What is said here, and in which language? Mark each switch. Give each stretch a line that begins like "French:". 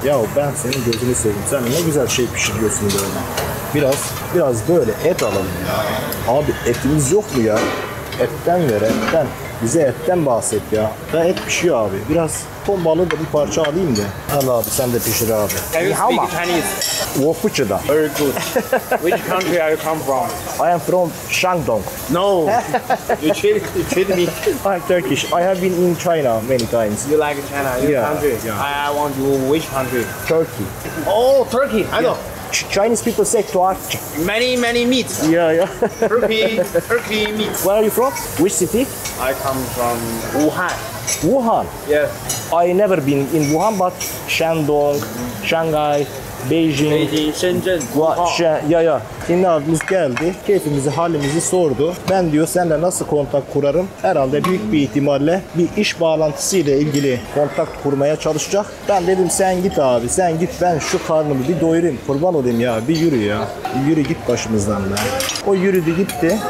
Turkish: Ya ben senin gözünü seveyim. Sen ne güzel şey pişiriyorsun böyle. Biraz böyle et alalım ya. Abi etimiz yok mu ya? Etten ver, etten. Bize etten bahset ya. Ben et pişiyor abi. Biraz ton balığı da bir parça alayım da. Al abi sen de pişir abi.
English: Can you speak Chinese?
Chinese: Wofuchida.
English: Very good. Which country are you come from? I am from Shandong. No. You cheat me. I'm Turkish. I have been in China many times. You like China? Your country? Yeah. I want you which country? Turkey. Oh, Turkey. I know. Chinese people say to ask many meats. Yeah. Turkey meats. Where are you from? Which city? I come from Wuhan. Wuhan? Yes. I never been in Wuhan, but Shandong, Shanghai, Beijing, Shenzhen,
Turkish: Şimdi abimiz geldi, keyfimizi, halimizi sordu. Ben diyor, seninle nasıl kontak kurarım? Herhalde büyük bir ihtimalle bir iş bağlantısıyla ilgili kontak kurmaya çalışacak. Ben dedim, sen git abi, sen git, ben şu karnımı bir doyurayım. Kurban olayım ya, bir yürü ya. Bir yürü git başımızdan be. O yürüdü gitti.